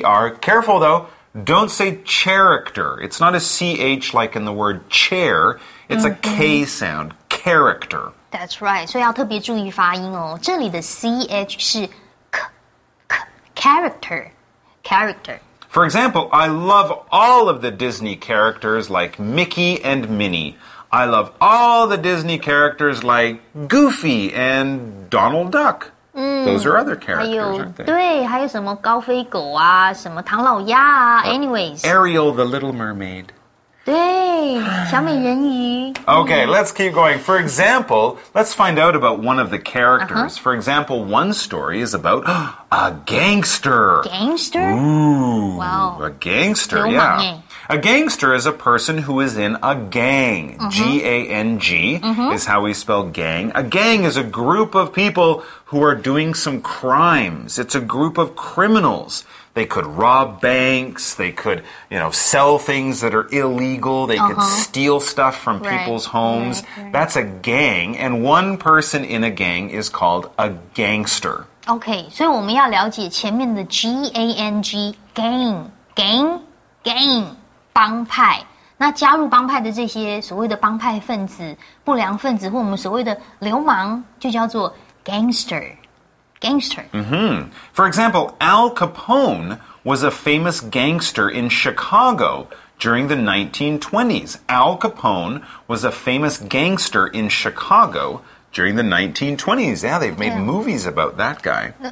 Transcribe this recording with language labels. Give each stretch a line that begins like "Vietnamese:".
English: Careful though, don't say character. It's not a C-H like in the word chair, it's、 mm-hmm. a K sound, character. That's right,
Chinese: 所以要特别注意发音哦。这里的 C-H 是 K, K, character.
English: Character. For example, I love all of the Disney characters like Mickey and Minnie. I love all the Disney characters like Goofy and Donald Duck.、 Mm, Those are other characters,
Chinese: 还有,
English: aren't they?
Chinese: 对，还有什么高飞狗啊，什么唐老鸭啊, anyways.
English: Ariel the Little Mermaid.
Chinese: 对，小美人鱼.
English: Okay, let's keep going. For example, let's find out about one of the characters.、 Uh-huh. For example, one story is about... A gangster. Gangster? Ooh. Wow. A gangster,
Chinese: 流氓,
English: yeah. A gangster is a person who is in a gang. Mm-hmm. G-A-N-G mm-hmm. is how we spell gang. A gang is a group of people who are doing some crimes. It's a group of criminals. They could rob banks. They could, you know, sell things that are illegal. They uh-huh. could steal stuff from people's right. homes. Right, right. That's a gang. And one person in a gang is called a gangster.
Chinese: Okay, 所以我们要了解前面的 G-A-N-G, gang, gang, gang, 帮派。那加入帮派的这些所谓的帮派分子、不良分子或我们所谓的流氓就叫做 gangster。
English: Gangster. Mm-hmm. For example, Al Capone was a famous gangster in Chicago during the 1920s. Al Capone was a famous gangster in Chicago during the 1920s. Yeah, they've made yeah. movies about that guy.